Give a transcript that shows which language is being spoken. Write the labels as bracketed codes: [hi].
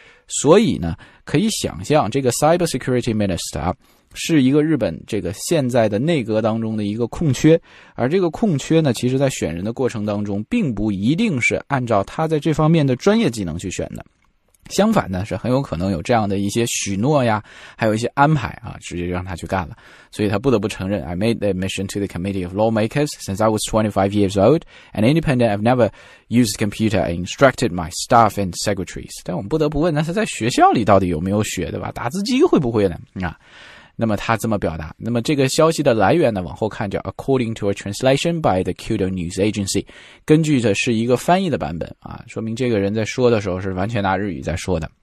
[zh] 所以呢，可以想象这个 cybersecurity minister 是一个日本这个现在的内阁当中的一个空缺，而这个空缺呢，其实在选人的过程当中并不一定是按照他在这方面的专业技能去选的，相反呢，是很有可能有这样的一些许诺呀，还有一些安排啊，直接让他去干了。所以他不得不承认 [en] I made the admission to the committee of lawmakers since I was 25 years old and independent. I've never used computer and instructed my staff and secretaries. [zh] 但我们不得不问，那他在学校里到底有没有学，对吧？打字机会不会呢？啊，那么他这么表达。那么这个消息的来源呢，往后看叫 [en] According to a translation by the Kyoto News Agency， [zh] 根据的是一个翻译的版本啊，说明这个人在说的时候是完全拿日语在说的。